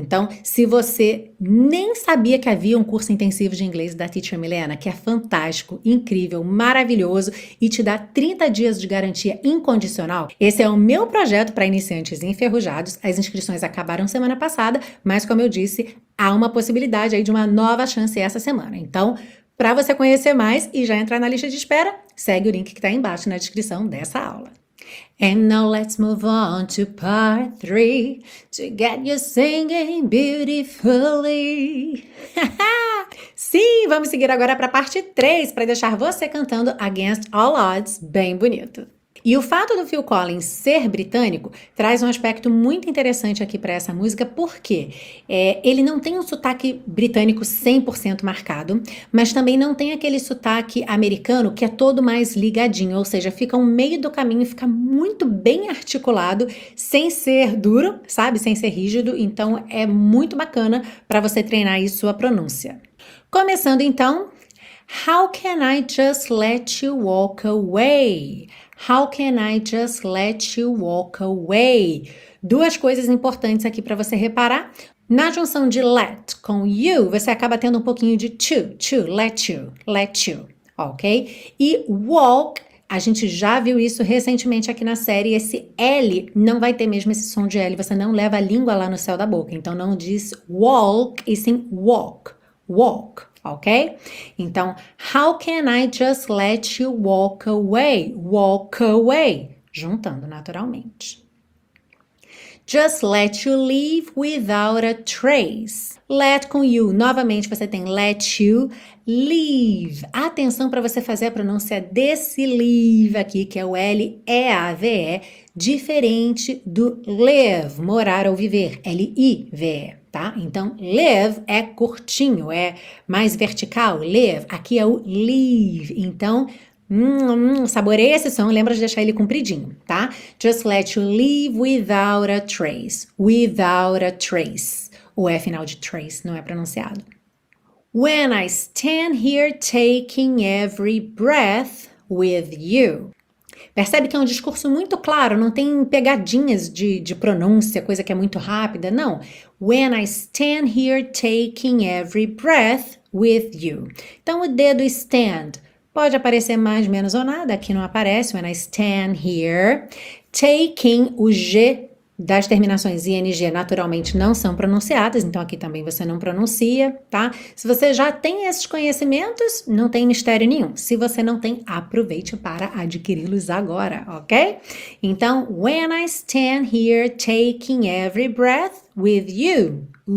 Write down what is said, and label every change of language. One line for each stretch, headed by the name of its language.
Portuguese: Então, se você nem sabia que havia um curso intensivo de inglês da Teacher Milena, que é fantástico, incrível, maravilhoso e te dá 30 dias de garantia incondicional, esse é o meu projeto para iniciantes enferrujados. As inscrições acabaram semana passada, mas como eu disse, há uma possibilidade aí de uma nova chance essa semana. Então, para você conhecer mais e já entrar na lista de espera, segue o link que está embaixo na descrição dessa aula.
English: And now let's move on to part three to get you singing beautifully.
Portuguese: Sim, vamos seguir agora para a parte 3 para deixar você cantando Against All Odds bem bonito. E o fato do Phil Collins ser britânico traz um aspecto muito interessante aqui para essa música, porque ele não tem um sotaque britânico 100% marcado, mas também não tem aquele sotaque americano que é todo mais ligadinho, ou seja, fica um meio do caminho, fica muito bem articulado, sem ser duro, sabe? Sem ser rígido. Então é muito bacana para você treinar aí sua pronúncia. Começando então,
English: How can I just let you walk away? How can I just let you walk away?
Portuguese: Duas coisas importantes aqui para você reparar. Na junção de let com you, você acaba tendo um pouquinho de to, let you, ok? E walk, a gente já viu isso recentemente aqui na série. Esse L não vai ter mesmo esse som de L, você não leva a língua lá no céu da boca. Então não diz walk e sim walk, walk. Ok? Então,
English: how can I just let you walk away?
Portuguese: Walk away. Juntando naturalmente.
English: Just let you leave without a trace.
Portuguese: Let com you. Novamente você tem let you leave. Atenção para você fazer a pronúncia desse leave aqui, que é o L-E-A-V-E, diferente do live, morar ou viver. L-I-V-E. Tá? Então, live é curtinho, é mais vertical, live. Aqui é o leave. Então, saboreia esse som, lembra de deixar ele compridinho, tá?
English: Just let you leave without a trace. Without a trace.
Portuguese: O E final de trace não é pronunciado.
English: When I stand here taking every breath with you.
Portuguese: Percebe que é um discurso muito claro, não tem pegadinhas de pronúncia, coisa que é muito rápida, não.
English: When I stand here taking every breath with you.
Portuguese: Então, o dedo stand pode aparecer mais, menos ou nada, aqui não aparece. When I stand here taking, o G das terminações ING naturalmente não são pronunciadas, então aqui também você não pronuncia, tá? Se você já tem esses conhecimentos, não tem mistério nenhum. Se você não tem, aproveite para adquiri-los agora, ok? Então,
English: when I stand here taking every breath with you,